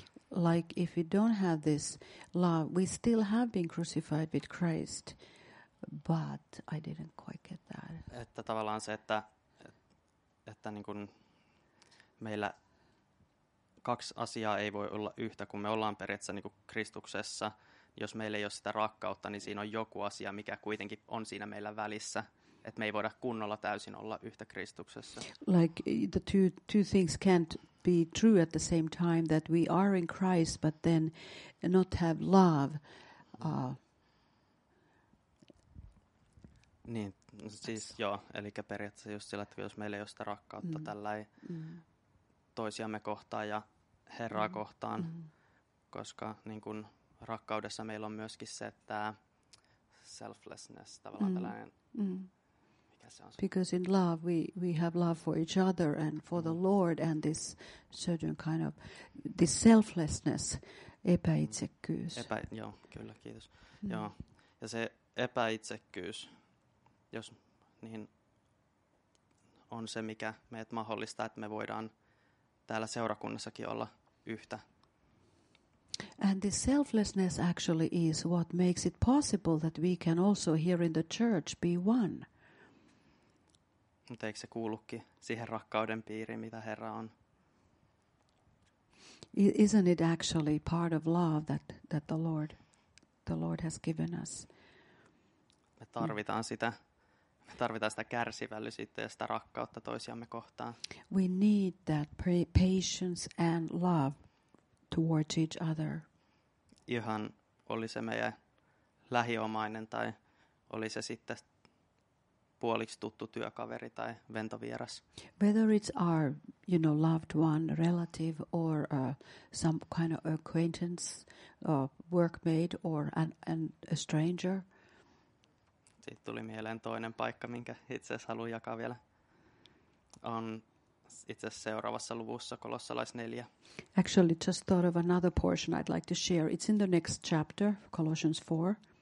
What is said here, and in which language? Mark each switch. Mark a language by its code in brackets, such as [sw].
[en] Like if we don't have this love, we still have been crucified with Christ, but I didn't quite get that. [fi] Että tavallaan se, että niin kuin meillä kaksi asiaa ei voi olla yhtä, kun me ollaan periaatteessa niin kuin Kristuksessa. Jos meillä ei ole sitä rakkautta, niin siinä on joku asia, mikä kuitenkin on siinä meillä välissä. Että me ei voida kunnolla täysin olla yhtä Kristuksessa. [en] Like the two things can't be true at the same time, that we are in Christ, but then not have love. [fi] Niin, siis joo, eli periaatteessa just sillä, että jos meillä ei ole sitä rakkautta tällai toisiamme kohtaan ja Herraa kohtaan, koska niin kun rakkaudessa meillä on myöskin se, että selflessness tavallaan tällainen. [en] Because in love we have love for each other and for the Lord and this certain kind of this selflessness, epäitsekkyys. [fi] Joo, kyllä, kiitos. Joo. Ja se epäitsekkyys, jos niin on se, mikä meidät mahdollistaa, että me voidaan täällä seurakunnassakin olla yhtä. [en] And this selflessness actually is what makes it possible that we can also here in the church be one. [fi] Mutta eikö se kuulukin siihen rakkauden piiriin, mitä Herra on? [en] Isn't it actually part of love that the Lord has given us? [fi] Me tarvitaan sitä. Me tarvitaan sitä kärsivällisyyttä ja sitä rakkautta toisiamme kohtaan. [en] We need that patience and love towards each other. [fi] Ihan oli se meidän lähiomainen tai oli se sitten puoliksi tuttu työkaveri tai ventovieras. [en] Whether it's our, you know, loved one, relative or some kind of acquaintance, workmate or an a stranger. [fi] Siitä tuli mieleen toinen paikka, minkä itse asiassa haluan jakaa vielä. On itse asiassa seuraavassa luvussa Kolossalais 4. [en] Actually, just thought of another portion I'd like to share. It's in the next chapter, Colossians 4.